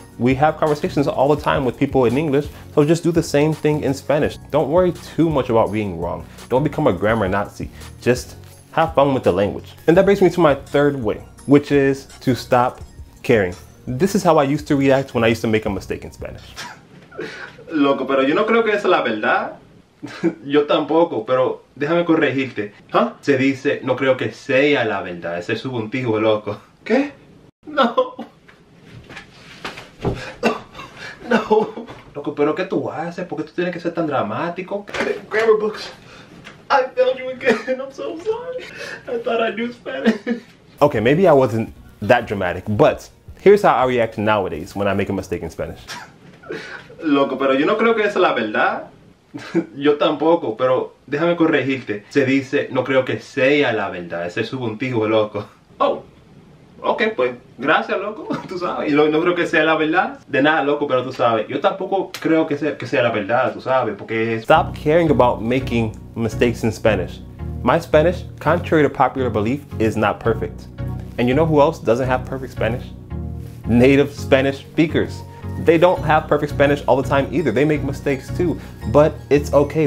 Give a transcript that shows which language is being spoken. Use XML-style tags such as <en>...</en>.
<en>We have conversations all the time with people in English, so just do the same thing in Spanish. Don't worry too much about being wrong. Don't become a grammar Nazi. Just have fun with the language. And that brings me to my third way, which is to stop caring. This is how I used to react when I used to make a mistake in Spanish.</en> <es>Loco, pero yo no creo que esa es la verdad. Yo tampoco, pero déjame corregirte. ¿Huh? Se dice, no creo que sea la verdad. Ese es subjuntivo, loco. ¿Qué? No. No. Loco, pero ¿qué tú haces? ¿Por qué tú tienes que ser tan dramático?</es> <en>Grammar books. I failed you again. I'm so sorry. I thought I knew Spanish. Okay, maybe I wasn't that dramatic, but here's how I react nowadays when I make a mistake in Spanish.</en> <es>Loco, pero yo no creo que esa es la verdad. Yo tampoco, pero déjame corregirte. Se dice, no creo que sea la verdad. Ese es subjuntivo, loco. Oh, ok, pues, gracias, loco. Tú sabes, no creo que sea la verdad. De nada, loco, pero tú sabes. Yo tampoco creo que sea la verdad, tú sabes, porque es...</es> <en>Stop caring about making mistakes in Spanish. My Spanish, contrary to popular belief, is not perfect. And you know who else doesn't have perfect Spanish? Native Spanish speakers. They don't have perfect Spanish all the time either. They make mistakes too, but it's okay.</en>